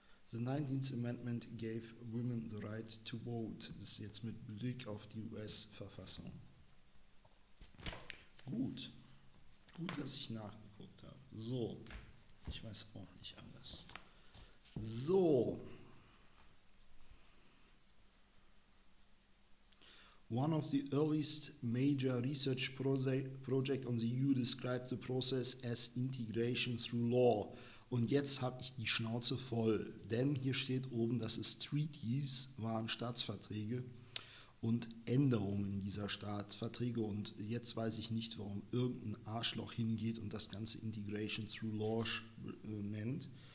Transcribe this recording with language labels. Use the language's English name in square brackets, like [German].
[English] The 19th Amendment gave women the right to vote. [German] Das ist jetzt mit Blick auf die US-Verfassung. Gut. Gut, dass ich nachgeguckt habe. So. Ich weiß auch nicht anders. So. [English] One of the earliest major research project on the EU described the process as integration through law. [German] Und jetzt habe ich die Schnauze voll, denn hier steht oben, dass es Treaties waren, Staatsverträge und Änderungen dieser Staatsverträge. Und jetzt weiß ich nicht, warum irgendein Arschloch hingeht und das Ganze [English] Integration through law [German] nennt.